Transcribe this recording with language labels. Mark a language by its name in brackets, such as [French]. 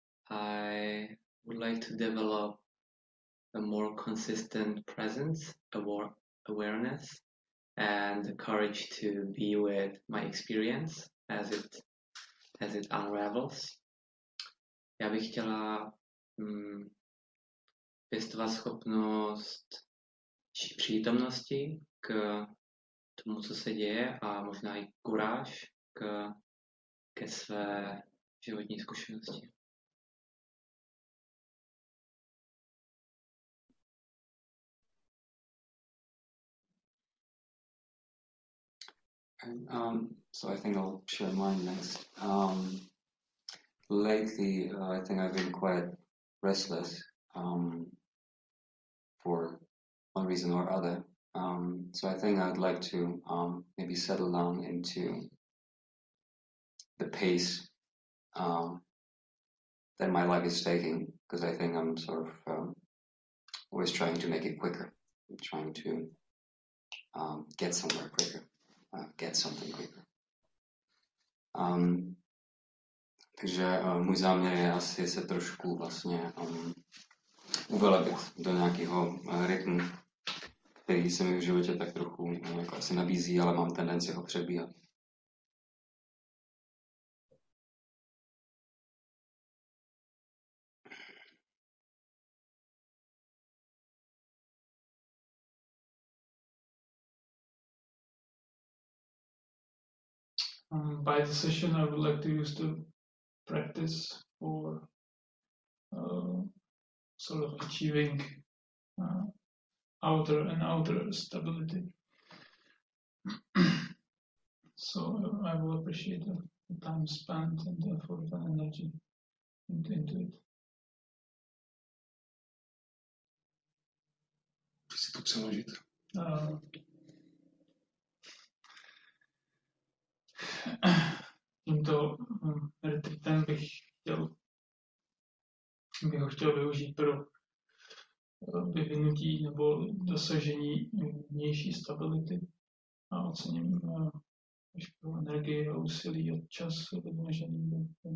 [English] I would like to develop a more consistent presence, awareness, and the courage to be with my experience as it unravels. [Czech] Já bych chtěla pěstovat schopnost přítomnosti k tomu, co se děje, a možná i kuráž ke své životní zkušenosti. [English] So I think I'll share mine next. Lately, I think I've been quite restless for one reason or other. So I think I'd like to maybe settle down into the pace that my life is taking, because I think I'm sort of always trying to make it quicker, I'm trying to get somewhere quicker. Get something quicker. [Czech] Takže můj záměr je asi se trošku vlastně uvelebit do nějakého rytmu, který se mi v životě tak trochu jako asi nabízí, ale mám tendenci ho přebíhat. [English] By the session, I would like to use the practice for sort of achieving outer and outer stability. So I will appreciate the time spent and effort and energy into it. [Czech] Tímto retreatem bych ho chtěl využít pro vyvinutí nebo dosažení vnější stability a ocením veškerou energii a úsilí od času vynaložený.